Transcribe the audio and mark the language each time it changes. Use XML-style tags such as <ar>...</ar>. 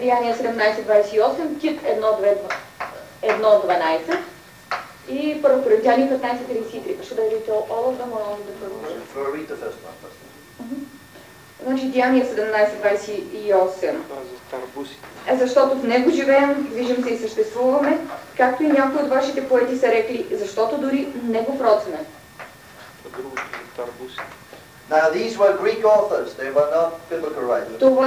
<bg>Деяния 17:28, Тит 1:12 и Първо Коринтияни 15:33.</bg> <en>Should I read all of them or only the first one? Read the first one first.</en> <bg>Значи Деяния 17:28. Тарбусите. Защото в него живеем, движим се и съществуваме, както и някои от вашите поети са рекли, защото дори негов род сме. Тарбусите.</bg> <en>Now these were Greek authors, they were not biblical writers.</en>